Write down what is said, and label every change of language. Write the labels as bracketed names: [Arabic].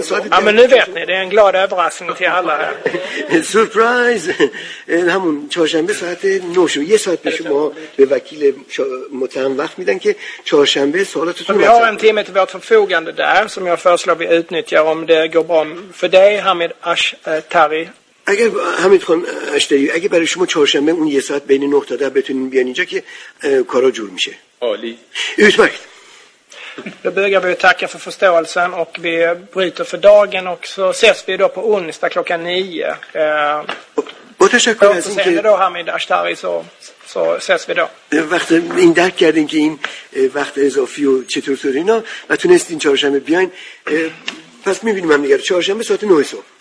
[Swedish] Ja, men nu vet ni, det är en glad överraskning till alla här. Surprise. [Persian] همون چهارشنبه ساعت 9 شب یه ساعت به شما به وکیل متهم وقت میدن که چهارشنبه سوالاتتون رو مطرح کنین. [Swedish] Vi har en timme till förfogande där som jag föreslår vi utnyttjar om det går bra för dig Hamid Ash Tari. [Persian] اگر حمید خان اشتری اگه برای شما چهارشنبه اون یه ساعت بین 9 تا 10 بتونین بیان اینجا که کارا جور میشه عالی اوتمکت [Swedish] Då börjar vi tacka för förståelsen och vi bryter för dagen och så ses vi då på onsdag klockan 9. Och tack för att ni då Hamid Ashtari så ses vi då. [Persian] وقت این درک کردین که این وقت اضافی و چطور تو اینا و تونستین چهارشنبه بیاین پس می‌بینیم هم دیگه چهارشنبه ساعت 9 صبح